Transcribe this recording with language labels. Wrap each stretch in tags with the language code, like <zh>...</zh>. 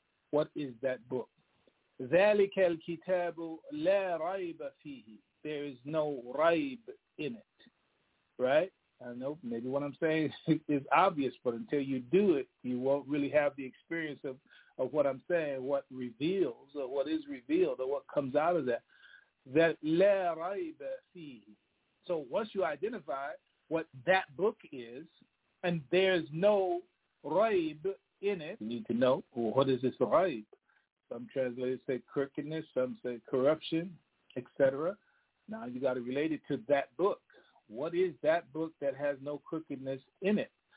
<en>What is that book?</en> <ar>ذَلِكَ الْكِتَابُ لَا رَيْبَ فِيهِ.</ar> <en>There is no raib in it. Right? I know maybe what I'm saying is obvious, but until you do it, you won't really have the experience of what I'm saying, what reveals or what is revealed or what comes out of that.</en> <ar>That لَا رَيْبَ فِيهِ.</ar> <en>So once you identify what that book is, and there's no raib in it, you need to know, well, what is this raib? Some translators say crookedness, some say corruption, etc. Now you got to relate it to that book. What is that book that has no crookedness in it?</en>